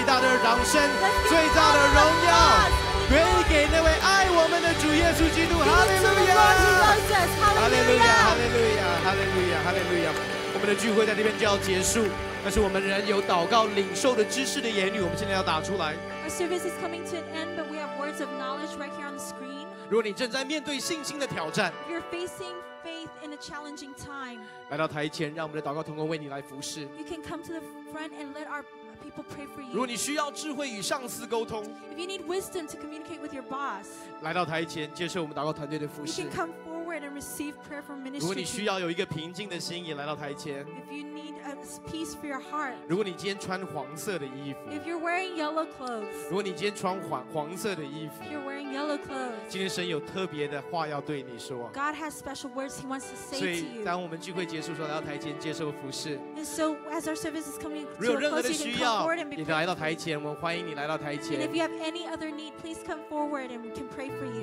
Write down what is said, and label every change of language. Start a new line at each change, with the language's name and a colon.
Chinese: 最大的荣耀归给那位爱我们的主耶稣基督哈利路亚哈利路亚哈利路亚哈利路亚哈利路亚我们的聚会在这边就要结束但是我们仍有祷告领受的知识的言语我们现在要打出来
English: Our service is coming to an end but we have words of knowledge right here on the screen
Chinese: 如果你正在面对信心的挑战
English: If you're facing faith in a challenging time
Chinese: 来到台前让我们的祷告同工为你来服侍
English: You can come to the front and let ourPray for you.
Chinese: 如果你需要智慧与上司沟通
English: If you need wisdom to communicate with your boss
Chinese: 来到台前接受我们祷告团队的服侍
English: You can come forward forward and receive prayer from ministry. If you need a peace for your heart, if you're wearing yellow clothes, God has special words He wants to say to you.
Chinese: 当我们聚会结束，说来到台前接受服事。
English: And so as our service is coming to a close, you can come forward and be prayed.
Chinese: 你来到台前，我们欢迎你来到台前。
English: And if you have any other need, please come forward and we can pray for you.